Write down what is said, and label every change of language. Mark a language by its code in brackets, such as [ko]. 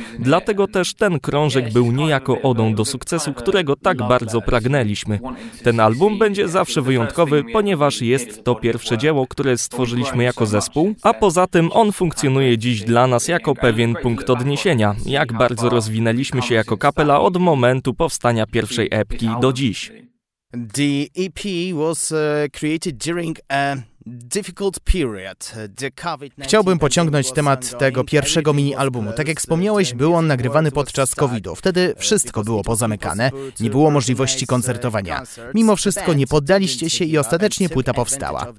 [pl] Dlatego też ten krążek był niejako odą do sukcesu, którego tak bardzo pragnęliśmy. Ten album będzie zawsze wyjątkowy, ponieważ jest to pierwsze dzieło, które stworzyliśmy jako zespół, a poza tym on funkcjonuje dziś dla nas jako pewien punkt odniesienia, jak bardzo rozwinęliśmy się jako kapela od momentu powstania pierwszej epki do dziś. [en] The EP was created during a difficult period. [pl] Chciałbym pociągnąć temat tego pierwszego mini-albumu. Tak jak wspomniałeś, był on nagrywany podczas COVID-u. Wtedy wszystko było pozamykane, nie było możliwości koncertowania. Mimo wszystko nie poddaliście się i ostatecznie płyta powstała.